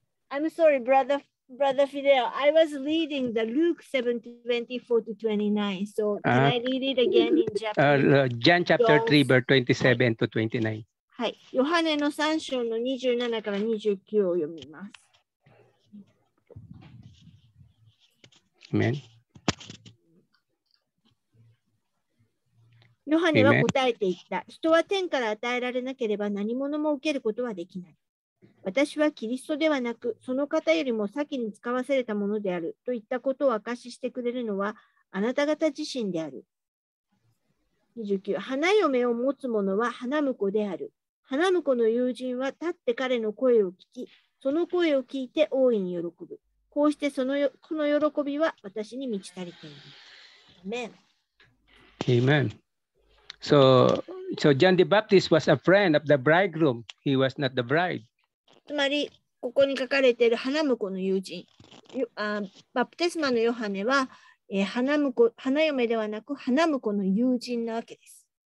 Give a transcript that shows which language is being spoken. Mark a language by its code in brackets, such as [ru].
[en] I'm sorry, Brother Fidel, I was reading the Luke 7:24 to 29. So can I read it again in Japanese? John chapter 3, verse 27 to 29. [ja] はい。ヨハネの3章の27から29を読みます。 [en] Amen. [ja] ヨハネは答えていった。人は天から与えられなければ何者も受けることはできない。私はキリストではなく、その方よりも先に使わされたものであるといったことを証ししてくれるのはあなた方自身である。 29、花嫁を持つ者は花婿である。花婿の友人は立って彼の声を聞き、その声を聞いて大いに喜ぶ。こうしてその喜びは私に満ち足りている。 [en] Amen. Amen. So John the Baptist was a friend of the bridegroom. He was not the bride. [ja] つまりここに書かれている花婿の友人、バプテスマのヨハネは、花嫁ではなく花婿の友人なわけです。